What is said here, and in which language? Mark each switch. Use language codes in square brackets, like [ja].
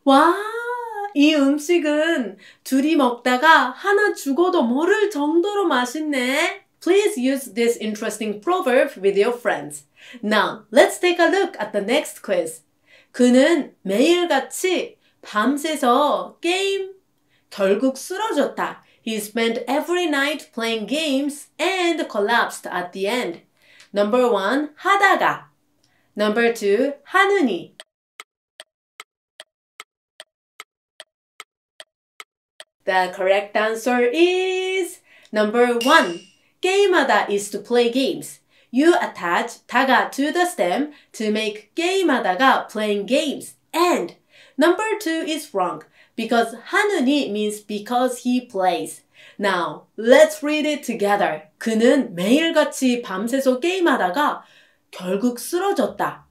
[ko] 와, 이 음식은 둘이 먹다가 하나 죽어도 모를 정도로 맛있네. [en] Please use this interesting proverb with your friends. Now, let's take a look at the next quiz. [ko] 그는 매일같이 밤새서 게임 결국 쓰러졌다. [en] He spent every night playing games and collapsed at the end. Number one, 하다가. Number two, 하느니. The correct answer is number one. 게임하다 is to play games. You attach 다가 to the stem to make 게임하다가 playing games. And number two is wrong because 하느니 means because he plays. Now, let's read it together. [ko] 그는 매일같이 밤새서 게임하다가 결국 쓰러졌다.